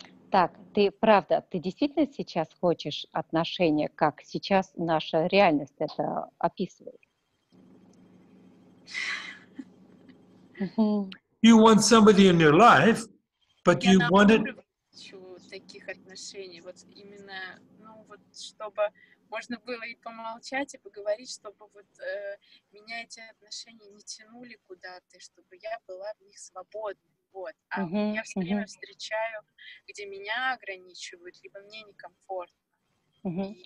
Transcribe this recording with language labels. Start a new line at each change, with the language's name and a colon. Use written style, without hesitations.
Russian: Так, ты правда, ты действительно сейчас хочешь отношения, как сейчас наша реальность это описывает?
English: You want somebody in your life, but you want it...
Russian: хочу таких отношений, вот именно, ну вот, чтобы можно было и помолчать, и поговорить, чтобы вот меня эти отношения не тянули куда-то, чтобы я была в них свободна. Вот, а я все время встречаю, где меня ограничивают, либо мне некомфортно.